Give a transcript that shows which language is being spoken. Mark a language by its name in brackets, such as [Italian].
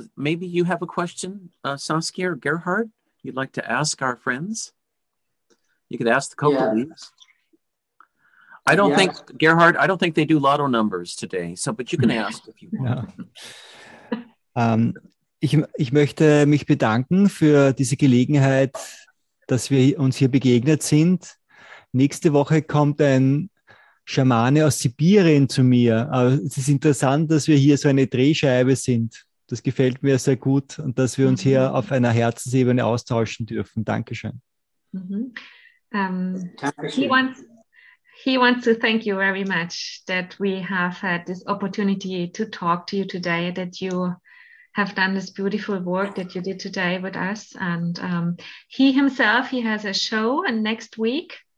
[English] Maybe you have a question, Saskia or Gerhard, you'd like to ask our friends? You could ask the couple of these. I don't think, Gerhard, I don't think they do lotto numbers today, but you can ask if you want. [German] Ich möchte mich bedanken für diese Gelegenheit, dass wir uns hier begegnet sind. Nächste Woche kommt ein Schamane aus Sibirien zu mir. Aber es ist interessant, dass wir hier so eine Drehscheibe sind. Das gefällt mir sehr gut und dass wir uns hier auf einer Herzensebene austauschen dürfen. Dankeschön. Mm-hmm. [English] He wants to thank you very much that we have had this opportunity to talk to you today, that you have done this beautiful work that you did today with us. And he has a show and next week.